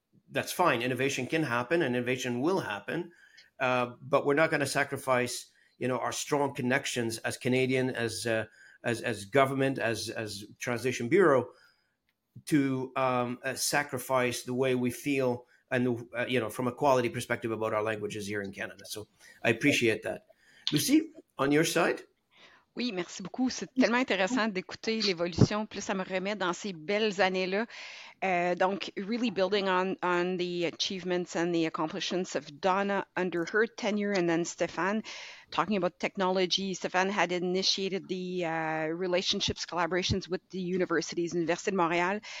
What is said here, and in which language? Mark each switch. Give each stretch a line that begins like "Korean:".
English: That's fine. Innovation can happen and innovation will happen, but we're not going to sacrifice, you know, our strong connections as Canadian, as government, as Transition Bureau, to sacrifice the way we feel and you know, from a quality perspective about our languages here in Canada. So I appreciate that. Lucy, on your side?
French: Oui, merci beaucoup. C'est tellement intéressant d'écouter l'évolution. Plus ça me remet dans ces belles années-là. Donc,
English: really building on the achievements and the accomplishments of Donna under her tenure, and then Stefan talking about technology. Stefan had initiated the relationships, collaborations with the universities, Université de Montréal.